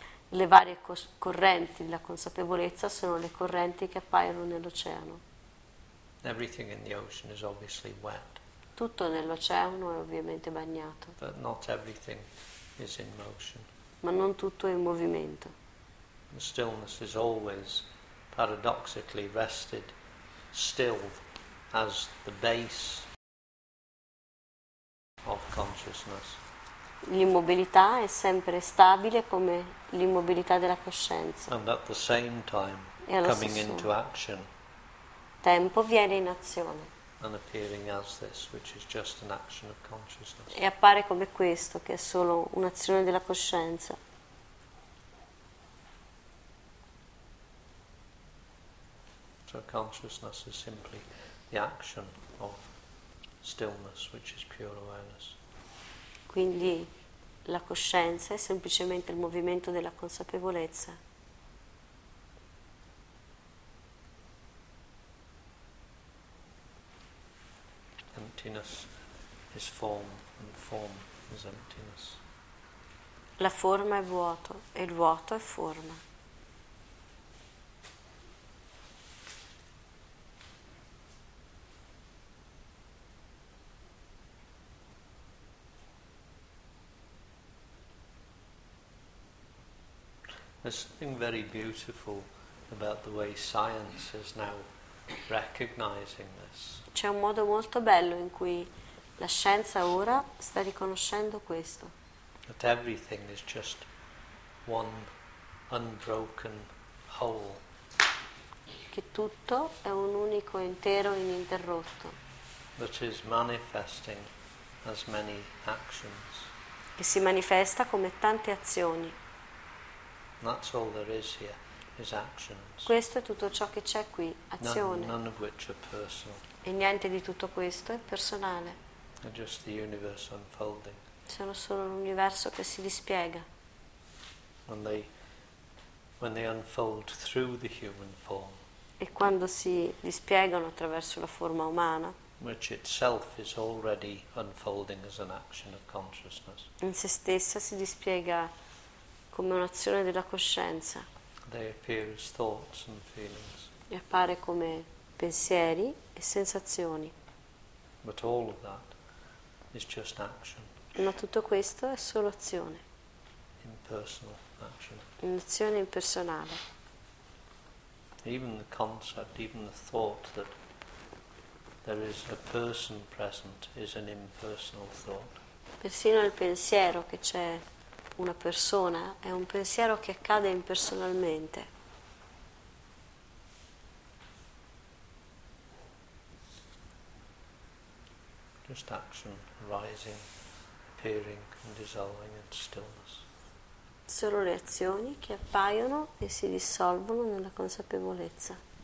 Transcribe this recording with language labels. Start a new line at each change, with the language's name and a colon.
Italian: Le varie correnti della consapevolezza sono le correnti che appaiono nell'oceano.
English: Everything in the ocean is obviously wet.
Italian: Tutto nell'oceano è ovviamente bagnato.
English: But not everything is in motion.
Italian: Ma non tutto è in movimento.
English: The stillness is always paradoxically rested still as the base of consciousness.
Italian: L'immobilità è sempre stabile come l'immobilità della coscienza.
English: And at the same time,
Italian: e allo
English: coming
Italian: stesso
English: into action,
Italian: tempo viene in azione.
English: And appearing as this, which is just an action of consciousness.
Italian: E appare come questo, che è solo un'azione della coscienza.
English: So consciousness is simply the action of stillness, which is pure awareness.
Italian: Quindi la coscienza è semplicemente il movimento della consapevolezza.
English: Emptiness is form, and form is emptiness.
Italian: La forma è vuoto, e il vuoto è forma.
English: There's something very beautiful about the way science is now recognizing this.
Italian: C'è un modo molto bello in cui la scienza ora sta riconoscendo questo.
English: That everything is just one unbroken whole.
Italian: Che tutto è un unico intero ininterrotto.
English: That is manifesting as many actions.
Italian: Che si manifesta come tante azioni.
English: That's all there is here, is actions.
Italian: Questo è tutto ciò che c'è qui, azione.
English: None of which are personal.
Italian: E niente di tutto questo è personale.
English: They're just the universe unfolding.
Italian: Sono solo l'universo che si dispiega.
English: When they unfold through the human form.
Italian: E quando si dispiegano attraverso la forma umana.
English: Which itself is already unfolding as an action of consciousness.
Italian: In se stessa si dispiega come un'azione della coscienza.
English: They appear as thoughts and feelings.
Italian: E appare come pensieri e sensazioni.
English: But all of that is just action.
Italian: Ma tutto questo è solo azione.
English: Impersonal action.
Italian: Un'azione impersonale.
English: Even the concept, even the thought that there is a person present is an impersonal thought.
Italian: Persino il pensiero che c'è una persona è un pensiero che accade impersonalmente.
English: Just action, rising, appearing and dissolving in stillness.
Italian: Solo le azioni che appaiono e si dissolvono nella consapevolezza.